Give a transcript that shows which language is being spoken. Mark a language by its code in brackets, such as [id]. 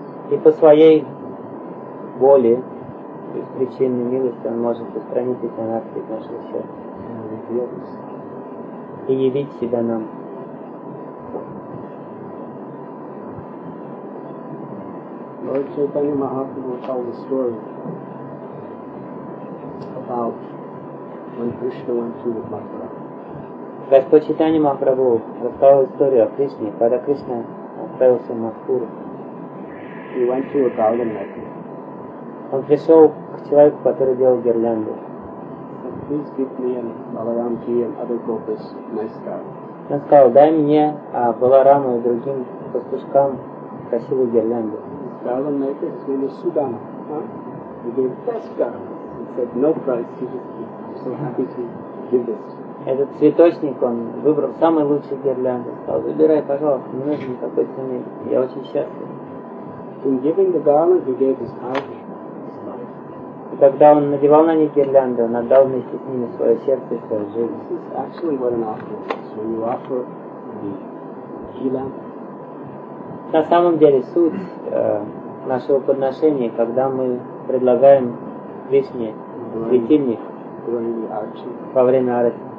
[ru] И по своей воле из причины милости он может устранить эти анархии от нашего сердца и явить себя нам. [en] Lord Chaitanya Mahaprabhu tells a story about when Krishna went to Mathura. [ru] Господь Чайтанья Махапрабху рассказал историю о Кришне, когда Кришна отправился в Матхуру. [en] He went to a garden like this. [ru] Он пришел к человеку, который делал гирлянду. [en] Please give me and Balaram ki and other gopis nice garlands. [ru] Он сказал, дай мне Баларама и другим пастушкам красивую гирлянду. [en] His garland maker, his name is Sudama. He gave the best garlands. He said, no price, he just gave. I'm so happy to give this. [ru] Этот цветочник, он выбрал самые лучшие гирлянды. Сказал, выбирай, пожалуйста, не нужно никакой цены. Я очень счастлив. [en] In giving the garland, he gave his heart. [ru] И когда он надевал на них гирлянды, он отдал вместе с ними свое сердце и свою жизнь. [en] This is actually what an offer is. When you offer the gila. [ru] На самом деле суть нашего подношения, когда мы предлагаем Кришне светильник во время арати.